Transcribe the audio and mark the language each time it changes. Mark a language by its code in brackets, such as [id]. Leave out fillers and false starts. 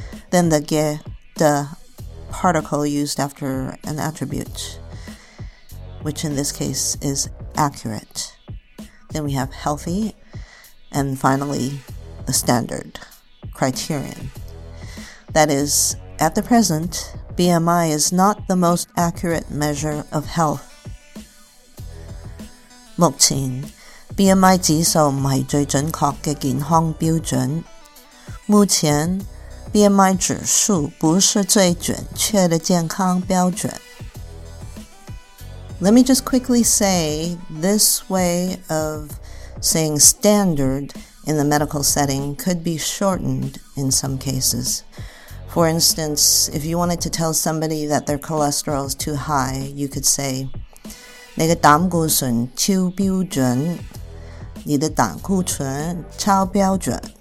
[en] Then the ge, the particle used after an attribute, which in this case is accurate. Then we have healthy, and finally, the standard. Criterion. That is, at the present, BMI is not the most accurate measure of health. [zh] 目前 BMI 指数不是最准确的健康标准。目前 BMI 指数不是最准确的健康标准。 [en] Let me just quickly say this way of saying standard. In the medical setting could be shortened in some cases. For instance, if you wanted to tell somebody that their cholesterol is too high, you could say, [zh] 你的胆固醇超标准，你的胆固醇超标准。